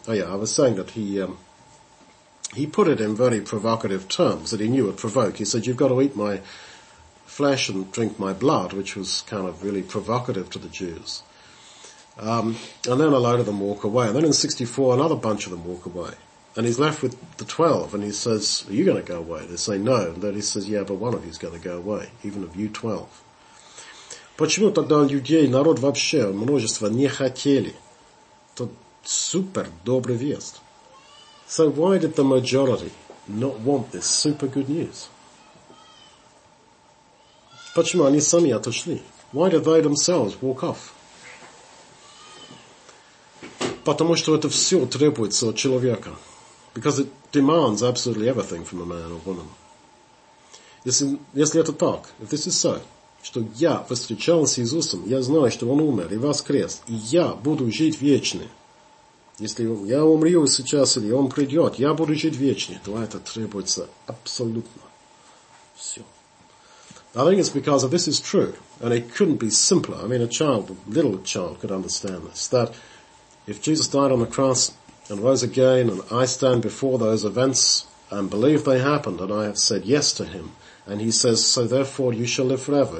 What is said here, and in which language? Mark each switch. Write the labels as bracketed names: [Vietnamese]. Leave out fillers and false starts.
[English] Oh yeah, I was saying that he put it in very provocative terms, that he knew it would provoke. He said, you've got to eat my flesh and drink my blood, which was kind of really provocative to the Jews. And then a load of them walk away. And then in 64, another bunch of them walk away. And he's left with the 12, and he says, are you going to go away? They say, no. And then he says, yeah, but one of you is going to go away, even of you 12. [Russian] Почему тогда людей, народ вообще, множество, не хотели? Это супер добрая весть. [English] So why did the majority not want this super good news? [Russian] Почему они сами отошли? [English] Why did they themselves walk off? [Russian] Потому что это все требуется от человека. [English] Because it demands absolutely everything from a man or woman. [Russian] Если это так, [English] if this is so, [Russian] что я встречался с Иисусом, я знаю, что Он умер и воскрес, и я буду жить вечно. Если я умру сейчас или Он придет, я буду жить вечно, то это требуется абсолютно. Все. [English] I think it's because of this is true, and it couldn't be simpler. I mean, a child, a little child could understand this, that if Jesus died on the cross and rose again, and I stand before those events and believe they happened, and I have said yes to Him, and he says, so therefore you shall live forever.